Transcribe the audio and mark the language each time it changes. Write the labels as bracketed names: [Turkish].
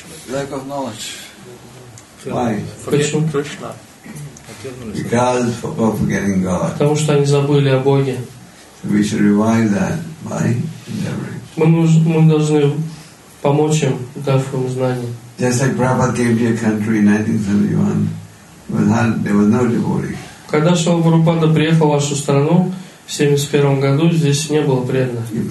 [English] Lack of knowledge. Why? [Russian] Почему? [English] Because of forgetting God. [Russian] Потому что они забыли о Боге. [English] We should revive that by endeavoring. [Russian] Мы должны помочь им, дав им знания. [English] Just like Prabhupada came to your country in 1971, there was no devotee. [Russian] Когда Шрила Прабхупада приехал в вашу страну, 71 году здесь не было преданных.